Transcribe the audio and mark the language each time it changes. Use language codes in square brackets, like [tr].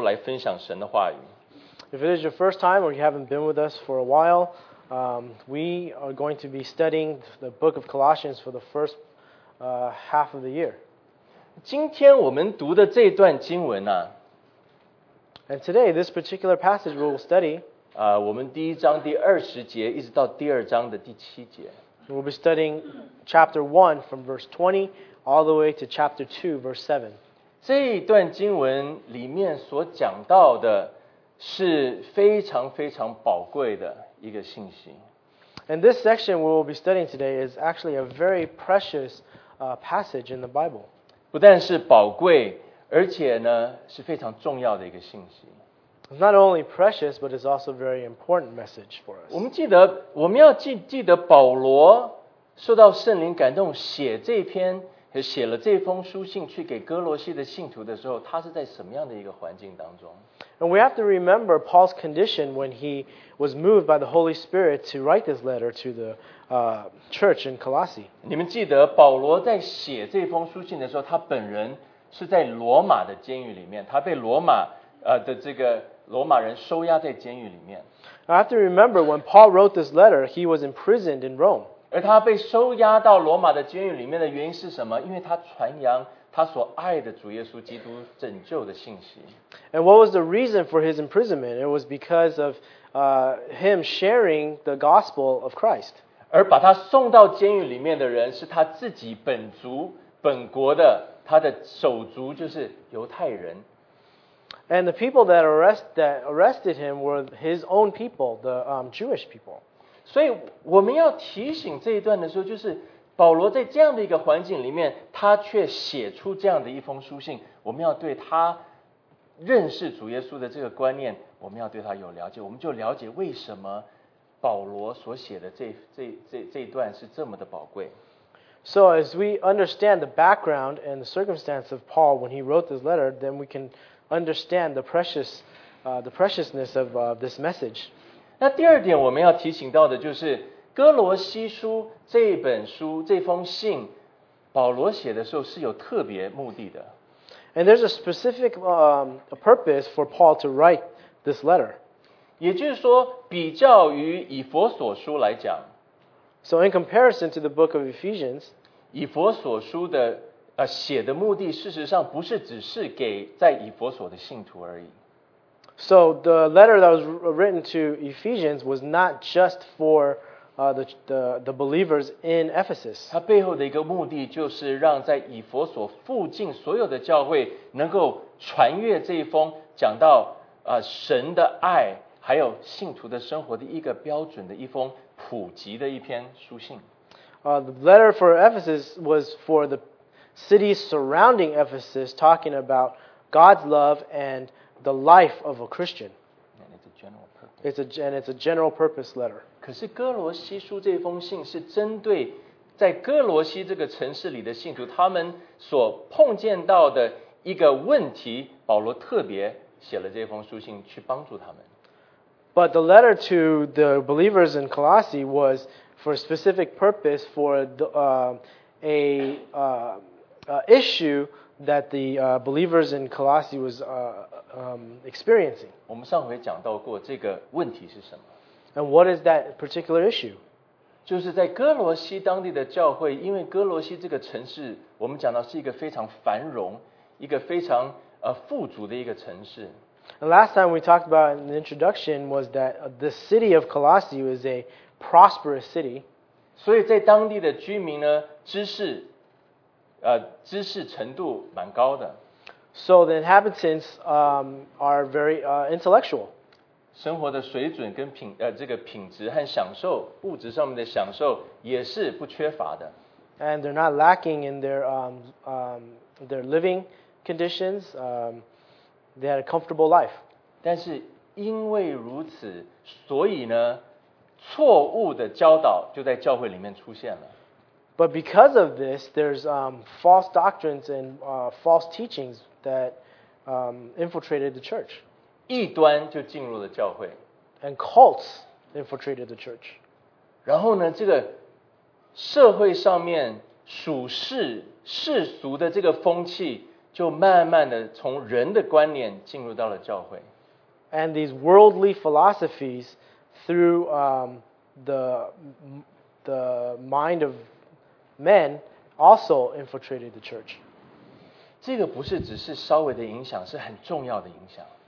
[zh] 今天你们如果是第一次在我们当中，或者是你前几周不在的话，你就知道我们现在呢，大概今年的前半年的时候，我们将会在主日的讲台，我们用哥罗西书来分享神的话语。 [en] If it is your first time or you haven't been with us for a while, we are going to be studying the book of Colossians for the first half of the year. [zh] 今天我们读的这段经文啊， [en] And today, this particular passage we will study, [zh] 我们第一章第二十节一直到第二章的第七节。 [en] We'll be studying chapter 1 from verse 20 all the way to chapter 2, verse 7. [zh] 这一段经文里面所讲到的是非常非常宝贵的一个信息。 [en] And this section we'll be studying today is actually a very precious passage in the Bible. [zh] 不但是宝贵，而且呢，是非常重要的一个信息。 [en] It's not only precious, but it's also a very important message for us. [zh] 我们要记得保罗受到圣灵感动写了这封书信去给哥罗西的信徒的时候，他是在什么样的一个环境当中？ [en] And we have to remember Paul's condition when he was moved by the Holy Spirit to write this letter to the church in Colossae. [zh] 你们记得保罗在写这封书信的时候，他本人是在罗马的监狱里面，他被罗马的这个罗马人收押在监狱里面。 [en] I have to remember when Paul wrote this letter, he was imprisoned in Rome. [zh] 而他被收押到罗马的监狱里面的原因是什么？因为他传扬他所爱的主耶稣基督拯救的信息。 [en] And what was the reason for his imprisonment? It was because of him sharing the gospel of Christ. [zh] 而把他送到监狱里面的人是他自己本族本国的，他的手足就是犹太人。 [en] And the people that arrested him were his own people, the Jewish people. [zh] 所以我们要提醒这一段的时候，就是保罗在这样的一个环境里面，他却写出这样的一封书信。我们要对他认识主耶稣的这个观念，我们要对他有了解，我们就了解为什么保罗所写的这一段是这么的宝贵。 [en] So as we understand the background and the circumstance of Paul when he wrote this letter, then we can understand the preciousness of this message. [zh] 那第二点我们要提醒到的就是哥罗西书这本书这封信保罗写的时候是有特别目的的。 [en] And there's a specific purpose for Paul to write this letter. [zh] 也就是说比较于以弗所书来讲。 [en] So in comparison to the book of Ephesians, [zh] 以弗所书的写的目的事实上不是只是给在以弗所的信徒而已。 [en] So the letter that was written to Ephesians was not just for the believers in Ephesus. [zh] 它背后的一个目的就是让在以弗所附近所有的教会能够传阅这一封讲到神的爱还有信徒的生活的一个标准的一封普及的一篇书信。 [en] The letter for Ephesus was for the cities surrounding Ephesus talking about God's love and the life of a Christian. And it's a general purpose. It's a general purpose letter. [zh] 可是哥罗西书这封信是针对在哥罗西这个城市里的信徒他们所碰见到的一个问题，保罗特别写了这封书信去帮助他们。 [en] But the letter to the believers in Colossae was for a specific purpose for issue that the believers in Colossae was experiencing. [zh] 我们上回讲到过这个问题是什么。 [en] And what is that particular issue? [zh] 就是在哥罗西当地的教会，因为哥罗西这个城市，我们讲到是一个非常繁荣，一个非常富足的一个城市。 [en] And last time we talked about in the introduction was that the city of Colossae was a prosperous city. [zh] 所以在当地的居民呢，知识程度蛮高的。 [en] So the inhabitants are very intellectual. [zh] 生活的水准跟品质和享受，物质上面的享受也是不缺乏的。 [en] And they're not lacking in their living conditions. They had a comfortable life. [zh] 但是因为如此，所以呢，错误的教导就在教会里面出现了。 [en] But because of this, there's false doctrines and false teachings that infiltrated the church. [zh] 异端就进入了教会。 [en] And cults infiltrated the church. [zh] 然后呢，这个社会上面属世世俗的这个风气，就慢慢的从人的观念进入到了教会。 [en] And these worldly philosophies through the mind of men also infiltrated the church. [zh] 这个不是只是稍微的影响，是很重要的影响。